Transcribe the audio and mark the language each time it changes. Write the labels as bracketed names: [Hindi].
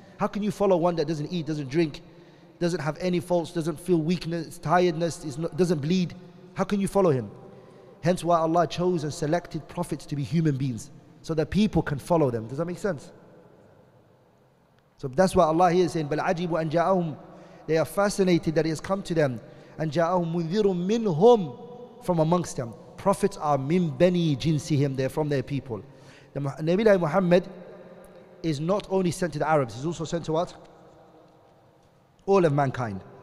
[English] How can you follow one that doesn't eat, doesn't drink, doesn't have any faults, doesn't feel weakness, tiredness, doesn't bleed? How can you follow him? Hence why Allah chose and selected prophets to be human beings, so that people can follow them. Does that make sense? So that's why Allah here is saying, [Arabic] بَلْ عَجِبُ أَنْ جَاءَهُمْ, [English] they are fascinated that he has come to them. [Arabic] أَنْ جَاءَهُمْ مُنذِرٌ مِّنْهُمْ, [English] from amongst them. Prophets are [Arabic] مِنْ بَنِي جِنْسِهِمْ, [English] they're from their people. The Nabi Muhammad is not only sent to the Arabs, he's also sent to what? All of mankind.